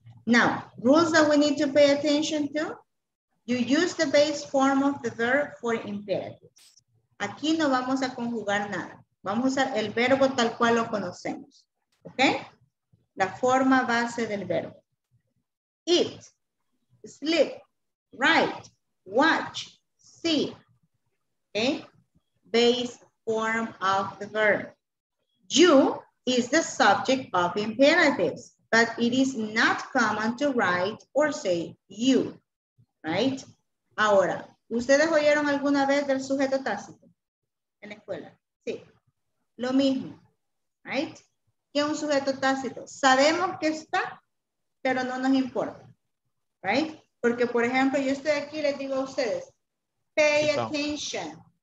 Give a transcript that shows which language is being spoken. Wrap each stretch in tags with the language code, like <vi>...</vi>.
<en>Now, rules that we need to pay attention to. You use the base form of the verb for imperatives.</en> <es>Aquí no vamos a conjugar nada. Vamos a usar el verbo tal cual lo conocemos. Okay? La forma base del verbo.</es> <en>Eat, sleep, write, watch, see.</en> <es>Okay?</es> <en>Base form of the verb. You is the subject of imperatives, but it is not common to write or say you. Right?</en> <es>Ahora, ¿ustedes oyeron alguna vez del sujeto tácito? En la escuela. Sí. Lo mismo. Right? ¿Qué es un sujeto tácito? Sabemos que está, pero no nos importa. Right? Porque, por ejemplo, yo estoy aquí y les digo a ustedes,</es> <en>pay attention.</en>